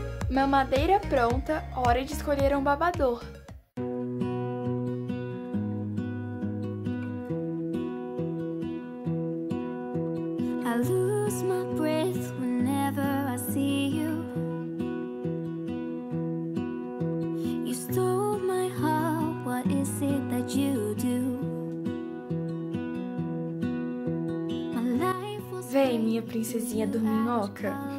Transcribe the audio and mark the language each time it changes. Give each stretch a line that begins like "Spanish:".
Portuguese: Mamadeira pronta, hora de escolher um babador.
English: I lose my breath whenever I see you. You stole my heart, what is it that you do? My life was...
Portuguese: Vem, minha princesinha dorminhoca.